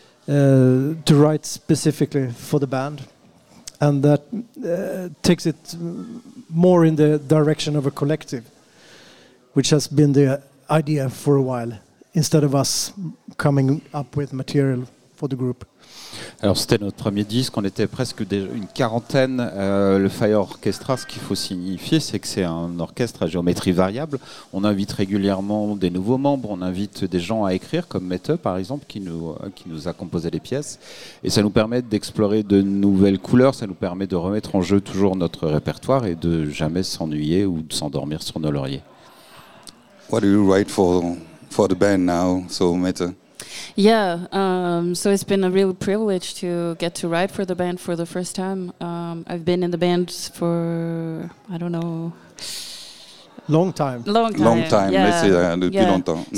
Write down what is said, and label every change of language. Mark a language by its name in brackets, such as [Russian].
[English] To write specifically for the band, and that takes it more in the direction of a collective, which has been the idea for a while, instead of us coming up with material for the group. [French] Alors c'était notre premier disque, on était presque une quarantaine, le Fire Orchestra. Ce qu'il faut signifier, c'est que c'est un orchestre à géométrie variable. On invite régulièrement des nouveaux membres, on invite des gens à écrire, comme Mette par exemple, qui nous a composé des pièces. Et ça nous permet d'explorer de nouvelles couleurs, ça nous permet de remettre en jeu toujours notre répertoire et de jamais s'ennuyer ou de s'endormir sur nos lauriers. [English] What do you write for the band now, so Mette? Yeah, so it's been a real privilege to get to write for the band for the first time. I've been in the band for, I don't know... Long time. Yeah. Let's say [French] depuis longtemps.